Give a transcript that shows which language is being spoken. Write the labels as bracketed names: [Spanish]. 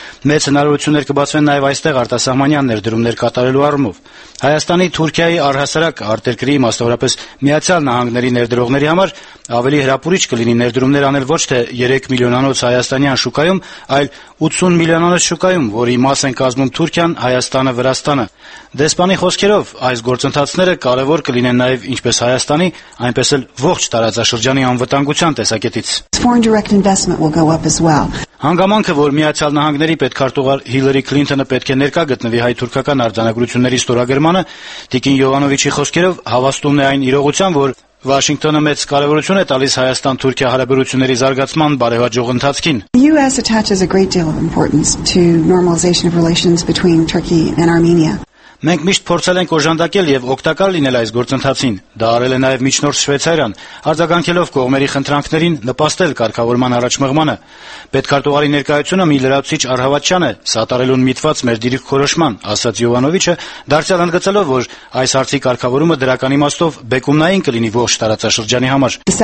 [Armenian] Մեծ հնարավորություններ կբացվեն նաև այստեղ արտասահմանյան ներդրումներ կատարելու առումով։ Հայաստանի, Թուրքիայի առհասարակ արտերկրի, մասնավորապես Միացյալ Նահանգների ներդրողների համար ավելի հրապուրիչ կլինի ներդրումներ անել ոչ թե 3 միլիոնանոց հայաստանյան շուկայում, այլ 80 միլիոնանոց շուկայում, որի մաս են կազմում Թուրքիան, Հայաստանը, Վրաստանը։ Դեսպանի խոսքերով, այս գործընթացները կարևոր կլինեն նաև ինչպես Հայաստանի, այնպես էլ ողջ տարածաշրջանի անվտանգության տեսակետից։ Հանգամանքը, որ Միացյալ Նահանգների պետքարտուղար Հիլերի Քլինթոնը պետք է ներկա գտնվի հայ-թուրքական արձանագրությունների ստորագրմանը, Տիկին Յովանովիչի խոսքերով, հավաստումն է այն իրողության, որ Վաշինգտոնը մեծ կարևորություն է տալիս Հայաստան-Թուրքիա հարաբերությունների զարգացման բարեհաջող ընթացքին։ [English] The US attaches a great deal of importance to normalization of relations between Turkey and Armenia. [Armenian] Մենք միշտ փորձել ենք օժանդակել եւ օգտակար լինել այս գործընթացին։ Դա արել է նաեւ միջնորդ Շվեցարիան, արձագանքելով կողմերի խնդրանքներին նպաստել կարգավորման առաջմղմանը։ Պետքարտուղարի ներկայությունը մի լրացուցիչ Արհավաչյանը սատարելուն միտված մեր դիրք խորոշման, ասաց Յովանովիչը, դարձյալ ընդգծելով, որ այս հարցի կարգավորումը դրական իմաստով բեկումնային կլինի ողջ տարածաշրջանի համար։